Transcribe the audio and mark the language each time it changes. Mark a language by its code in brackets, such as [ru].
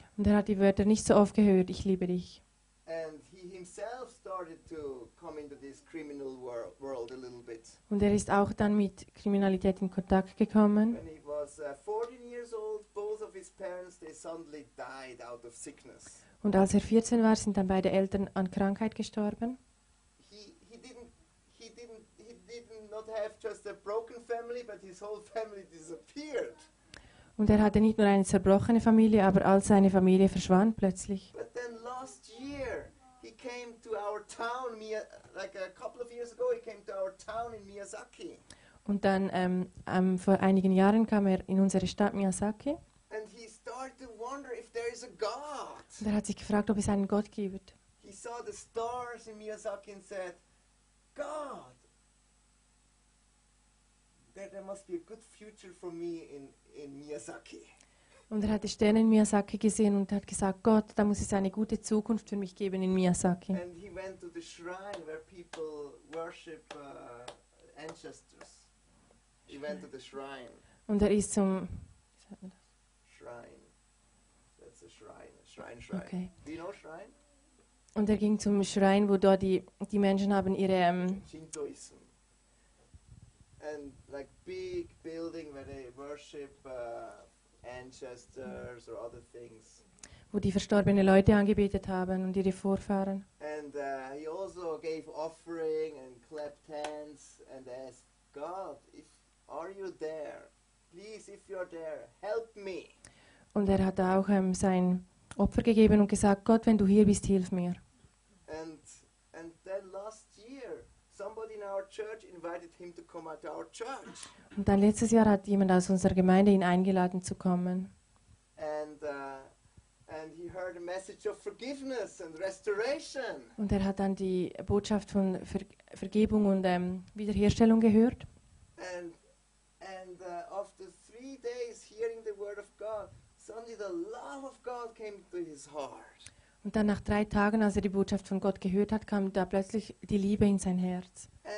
[de] Und er hat die Wörter nicht so oft gehört, ich liebe dich. [en] And he himself started to come into this criminal world a little bit. [de] Und er ist auch dann mit Kriminalität in Kontakt gekommen. [en] When he was 14 years old, both of his parents, they suddenly died out of sickness. [de] Und als er 14 war, sind dann beide Eltern an Krankheit gestorben. [en] He didn't have just a broken family, but his whole family disappeared. [de] Und er hatte nicht nur eine zerbrochene Familie, aber all seine Familie verschwand plötzlich. [en] But then last year he came to our town, like a couple of years ago he came to our town in Miyazaki. [de] Und dann vor einigen Jahren kam er in unsere Stadt Miyazaki. [en] And he started to wonder if there is a God. [de] Und er hat sich gefragt, ob es einen Gott gibt. [en] He saw the stars in Miyazaki and said, God, there must be a good future for me in Miyazaki. [de] Und er hat die Sterne in Miyazaki gesehen und hat gesagt, Gott, da muss es eine gute Zukunft für mich geben in Miyazaki. [en] And he went to the shrine where people worship ancestors. He went to the shrine. [de] Und er ist zum [en] Shrine. That's a shrine. Shrine. Okay. Do you know shrine? [de] Und er ging zum Shrine, wo dort die Menschen haben ihre [en] Shintoism. And like big building where they worship ancestors or other things. [de] Wo die verstorbene Leute angebetet haben und ihre Vorfahren. [en] And he also gave offering and clapped hands and asked, God, if are you there? Please, if you're there, help me. [de] Und er hat auch sein Opfer gegeben und gesagt, Gott, wenn du hier bist, hilf mir. [en] And then last year, somebody in our church invited him to come to our church. [de] Und dann letztes Jahr hat jemand aus unserer Gemeinde ihn eingeladen zu kommen. [en] And he heard a message of forgiveness and restoration. [de] Und er hat dann die Botschaft von Vergebung und Wiederherstellung gehört. [en] And after 3 days hearing the word of God, suddenly the love of God came to his heart. [de] Und dann nach 3 Tagen, als er die Botschaft von Gott gehört hat, kam da plötzlich die Liebe in sein Herz.